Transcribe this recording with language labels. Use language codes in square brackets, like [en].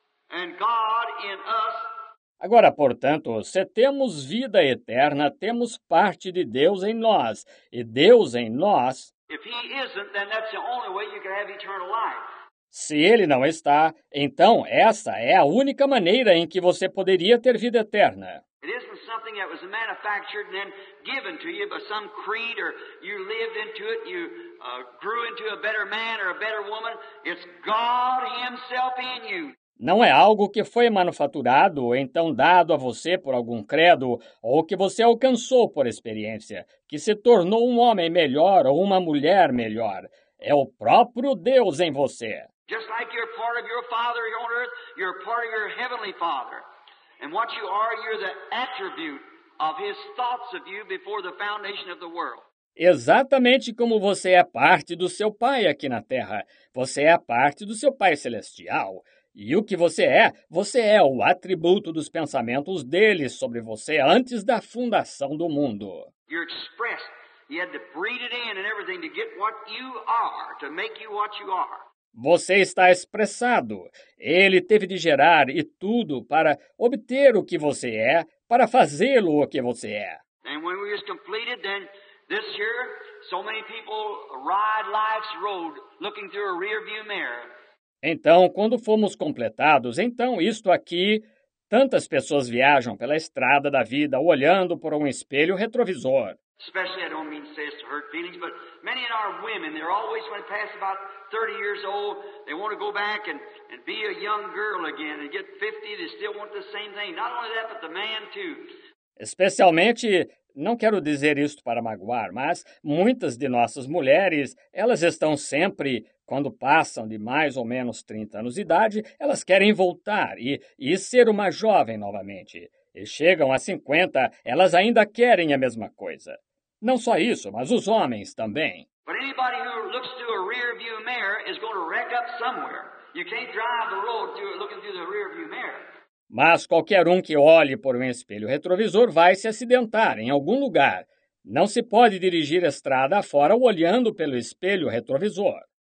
[en] And God in us. [pt] Agora, portanto, se temos vida eterna, temos parte de Deus em nós, e Deus em nós. [en] If he isn't, then that's the only way you can have eternal life. [pt] Se ele não está, então essa é a única maneira em que você poderia ter vida eterna. [en] It isn't something that was manufactured and then given to you by some creed, or you lived into it, you grew into a better man or a better woman. It's God himself in you. [pt] Não é algo que foi manufaturado, então dado a você por algum credo, ou que você alcançou por experiência, que se tornou um homem melhor ou uma mulher melhor. É o próprio Deus em você. [en] Just like you're part of your Father on earth, you're part of your Heavenly Father. And what you are, you're the attribute of his thoughts of you before the foundation of the world. [pt] Exatamente como você é parte do seu Pai aqui na Terra. Você é parte do seu Pai Celestial. E o que você é o atributo dos pensamentos dele sobre você antes da fundação do mundo. [en] You're expressed. He had to breathe it in and everything to get what you are, to make you what you are. [pt] Você está expressado. Ele teve de gerar e tudo para obter o que você é, para fazê-lo o que você é. [en] And when we was completed, then this year, so many people ride life's road looking through a rearview mirror. [pt] Então, quando fomos completados, então isto aqui, tantas pessoas viajam pela estrada da vida olhando por um espelho retrovisor. [en] Especially, I don't mean to say it's to hurt feelings, but many of our women, they're always when they pass about 30 years old, they want to go back and be a young girl again and get 50, they still want the same thing. Not only that, but the man too. [pt] Especialmente, não quero dizer isto para magoar, mas muitas de nossas mulheres, elas estão sempre, quando passam de mais ou menos 30 anos de idade, elas querem voltar e ser uma jovem novamente. E chegam a 50, elas ainda querem a mesma coisa. Não só isso, mas os homens também. [en] But anybody who looks through a rear view mirror is going to wreck up somewhere. You can't drive the road looking through the rearview mirror. [pt] Mas qualquer um que olhe por um espelho retrovisor vai se acidentar em algum lugar. Não se pode dirigir a estrada afora olhando pelo espelho retrovisor.